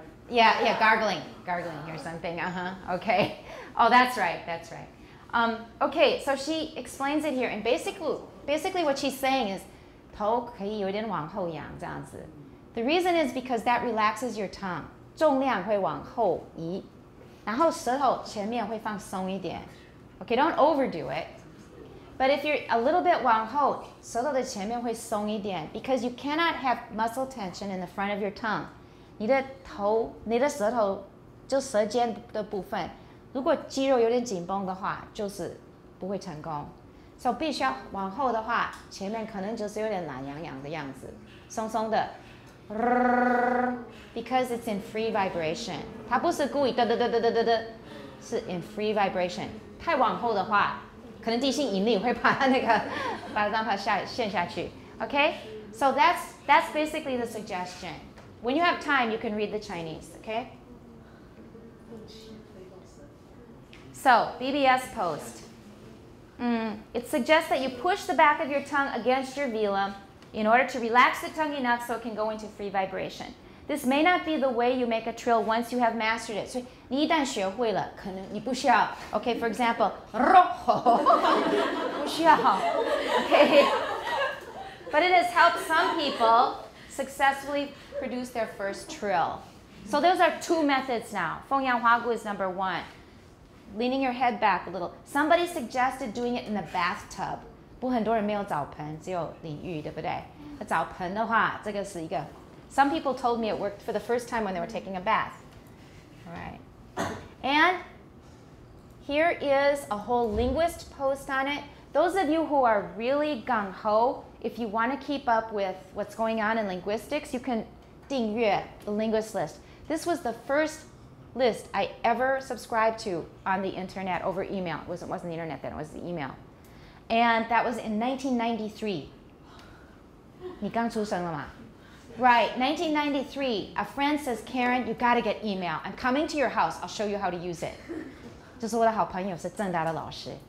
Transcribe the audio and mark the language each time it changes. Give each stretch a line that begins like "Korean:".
English: Yeah, gargling or something, uh-huh, okay. Oh, that's right. Okay, so she explains it here, and basically what she's saying is,
Chinese: 头可以有点往后仰这样子。
English: The reason is because that relaxes your tongue.
Chinese: 重量会往后移。然后舌头前面会放松一点。
English: Okay, don't overdo it. But if you're a little bit
Chinese: 往后，舌头的前面会松一点，
English: because you cannot have muscle tension in the front of your tongue.
Chinese: 你的头，你的舌头，就舌尖的部分，如果肌肉有点紧绷的话，就是不会成功。所以必须要往后的话，前面可能就是有点懒洋洋的样子，松松的。
English: Because it's in free vibration，
Chinese: 它不是故意嘚，是
English: in free vibration。
Chinese: 太往后的话，可能地心引力会把那个把让它下陷下去。
English: Okay， so that's basically the suggestion。 When you have time, you can read the Chinese, okay? So, BBS post. It suggests that you push the back of your tongue against your velum in order to relax the tongue enough so it can go into free vibration. This may not be the way you make a trill once you have mastered it. So,
Chinese: 你一旦学会了，可能你不需要。
English: Okay, for example,
Chinese: 不需要。
English: Okay. But it has helped some people successfully produce their first trill. So those are two methods now. Feng Yang Hua Gu is number one. Leaning your head back a little. Somebody suggested doing it in the bathtub.
Chinese: 不很多人没有澡盆，只有淋浴，对不对？那澡盆的话，这个是一个。
English: Some people told me it worked for the first time when they were taking a bath. All right. And here is a whole linguist post on it. Those of you who are really gung-ho, if you want to keep up with what's going on in linguistics, you can 订阅 the linguist list. This was the first list I ever subscribed to on the internet over email. It wasn't the internet then, it was the email. And that was in 1993.
Chinese: 你刚出生了吗?
English: Right, 1993. A friend says, Karen, you got to get email. I'm coming to your house. I'll show you how to use it.
Chinese: 就是我的好朋友是正大的老师。